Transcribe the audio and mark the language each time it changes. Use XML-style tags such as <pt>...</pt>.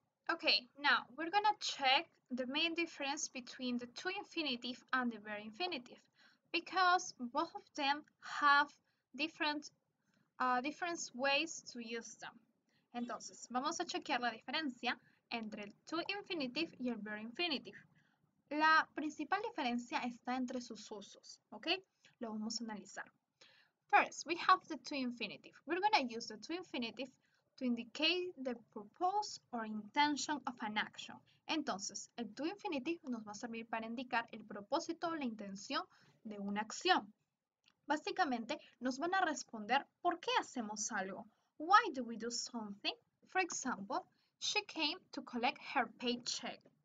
<en>Ok, now we're going to check the main difference between the to infinitive and the bare infinitive. Because both of them have different ways to use them.</en> <es>Entonces, vamos a chequear la diferencia entre el to infinitive y el bare infinitive. La principal diferencia está entre sus usos, ¿ok? Lo vamos a analizar.</es> <en>First, we have the to infinitive. We're going to use the to infinitive to indicate the purpose or intention of an action.</en> <es>Entonces, el to infinitive nos va a servir para indicar el propósito o la intención de una acción. Básicamente, nos van a responder por qué hacemos algo.</es> <en>Why do we do something? For example, she came to collect her paycheck.</en>